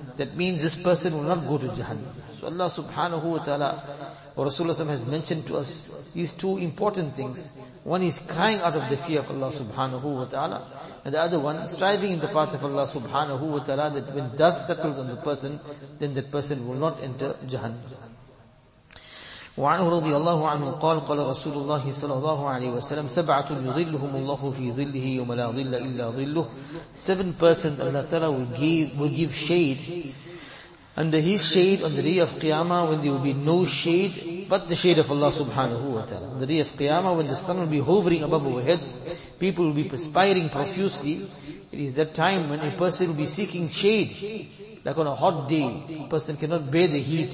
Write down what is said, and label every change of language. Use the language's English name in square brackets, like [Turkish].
[English] That means this person will not go to Jahannam. So Allah subhanahu wa ta'ala, or Rasulullah SAW has mentioned to us these two important things. One is crying out of the fear of Allah subhanahu wa ta'ala, and the other one, striving in the path of Allah subhanahu wa ta'ala, that when dust settles on the person, then that person will not enter Jahannam. [Arabic] وعنه رضي الله عنه قال قال رسول الله صلى الله عليه وسلم سبعة يظلهم الله في ظله يوم لا ظل إلا ظله. [English] 7 persons Allah Ta'ala will give shade under his shade on the day of Qiyamah, when there will be no shade but the shade of Allah subhanahu wa ta'ala. On the day of Qiyamah, when the sun will be hovering above our heads, people will be perspiring profusely. It is that time when a person will be seeking shade. Like on a hot day, a person cannot bear the heat.